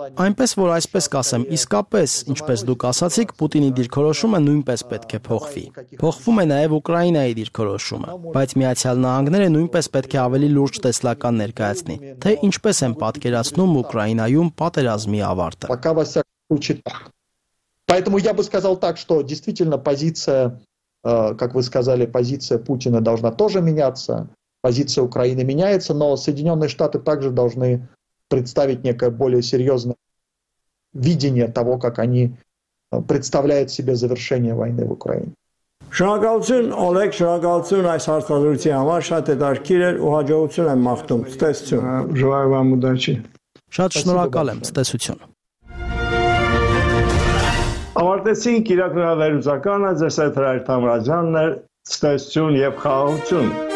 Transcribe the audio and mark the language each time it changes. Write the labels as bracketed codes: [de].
[hy] Այնպես որ այսպես կասեմ, իսկապես, ինչպես դուք ասացիք, Պուտինի դիրքորոշումը նույնպես պետք է փոխվի։ Փոխվում է նաև Ուկրաինայի դիրքորոշումը, բայց Միացյալ Նահանգները նույնպես պետք է ավելի լուրջ տեսլական ներկայացնի, թե ինչպես են պատկերացնում Ուկրաինայում պատերազմի ավարտը։ [ru] Поэтому я бы сказал так, что действительно позиция, как вы сказали, позиция Путина должна тоже меняться, позиция Украины меняется, но Соединенные Штаты также должны представить некое более серьезное видение того, как они представляют себе завершение войны в Украине. [hy] Շնորհակալություն, Օլեգ, շնորհակալություն այս հարցազրույցի համար, շատ հետաքրքիր էր ու հաջողություն եմ մաղթում, ցտեսություն։ [ru] Ժողովի վամ ուդաչի։ [hy] Շատ շնորհակալ եմ, ցտեսություն։ Ավարտեցինք իրաքնահայերուսականը, ձեզ հետ հրայր Թամրազյանն էր, ցտեսություն և խաղաղություն։